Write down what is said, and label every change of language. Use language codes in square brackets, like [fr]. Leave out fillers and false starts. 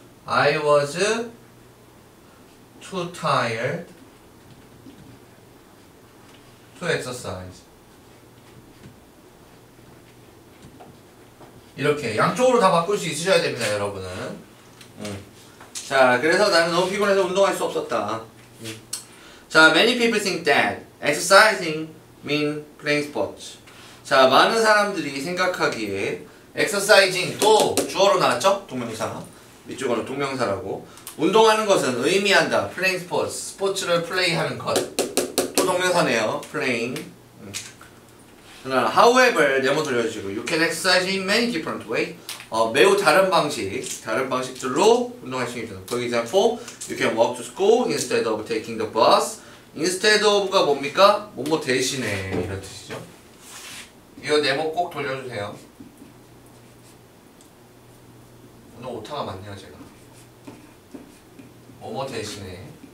[en] I was too tired to exercise. [ko] 이렇게 양쪽으로 다 바꿀 수 있으셔야 됩니다, 여러분은. 자, 그래서 나는 너무 피곤해서 운동할 수 없었다. [en] 자, many people think that exercising mean playing sports. [ko] 자, 많은 사람들이 생각하기에 exercising 또 주어로 나왔죠? 동명사. 이쪽으로 동명사라고. 운동하는 것은 의미한다. [en] playing sports. [ko] 스포츠를 플레이하는 것. 또 동명사네요. playing. [en] However, [ko] 네모 돌려주시고 [en] you can exercise in many different ways. [ko] 매우 다른 방식, 다른 방식들로 운동할 수 있습니다. [en] For example, you can walk to school instead of taking the bus. [ko] Instead of가 뭡니까? 뭐뭐 대신에 이런 뜻이죠. 이거 네모 꼭 돌려주세요. 오늘 오타가 많네요, 제가. 뭐뭐 대신에.